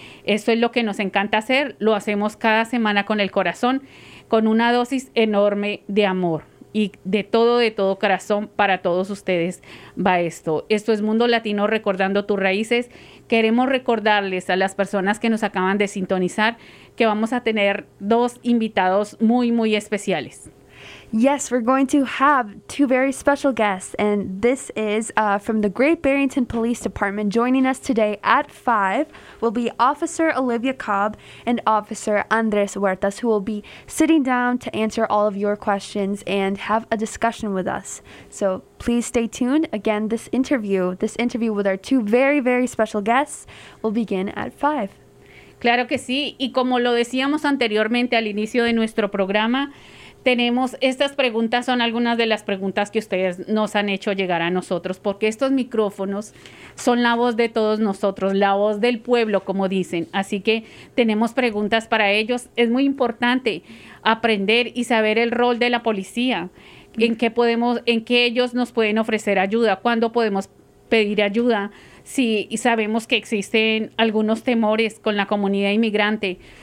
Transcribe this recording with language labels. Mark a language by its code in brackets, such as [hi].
[es] Eso es lo que nos encanta hacer. Lo hacemos cada semana con el corazón, con una dosis enorme de amor. Y de todo corazón para todos ustedes va esto. Esto es Mundo Latino recordando tus raíces. Queremos recordarles a las personas que nos acaban de sintonizar que vamos a tener dos invitados muy, muy especiales. [en] Yes, we're going to have two very special guests, and this is from the Great Barrington Police Department. Joining us today at 5 will be Officer Olivia Cobb and Officer Andres Huertas, who will be sitting down to answer all of your questions and have a discussion with us. So please stay tuned. Again, this interview with our two very, very special guests will begin at 5. [es] Claro que sí, y como lo decíamos anteriormente al inicio de nuestro programa, tenemos estas preguntas, son algunas de las preguntas que ustedes nos han hecho llegar a nosotros, porque estos micrófonos son la voz de todos nosotros, la voz del pueblo, como dicen. Así que tenemos preguntas para ellos. Es muy importante aprender y saber el rol de la policía, en qué ellos nos pueden ofrecer ayuda, cuándo podemos pedir ayuda, si sabemos que existen algunos temores con la comunidad inmigrante.